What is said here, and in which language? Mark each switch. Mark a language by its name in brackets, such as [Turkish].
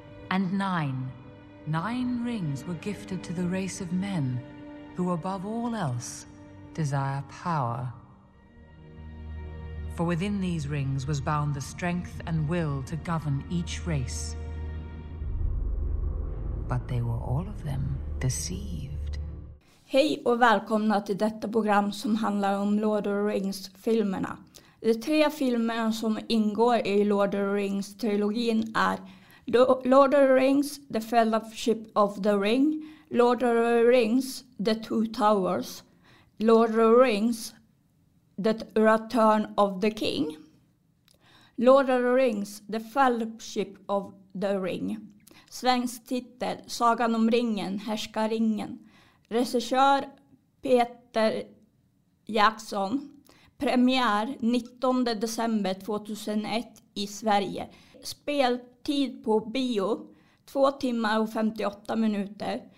[English] And nine rings were gifted to the race of men who, above all else, desire power. For within these rings was bound the strength and will to govern each race. But they were all of them deceived. [Swedish] Hej och välkomna till detta program som handlar om Lord of the Rings-filmerna. De tre filmerna som ingår i Lord of the Rings-trilogin är Lord of the Rings, The Fellowship of the Ring, Lord of the Rings, The Two Towers, Lord of the Rings, The Return of the King. [English] Lord of the Rings, The Fellowship of the Ring. [Swedish] Svensk titel, Sagan om ringen, Härskarringen. Regissör Peter Jackson. Premiär 19 december 2001 i Sverige. Speltid på bio 2 timmar och 58 minuter.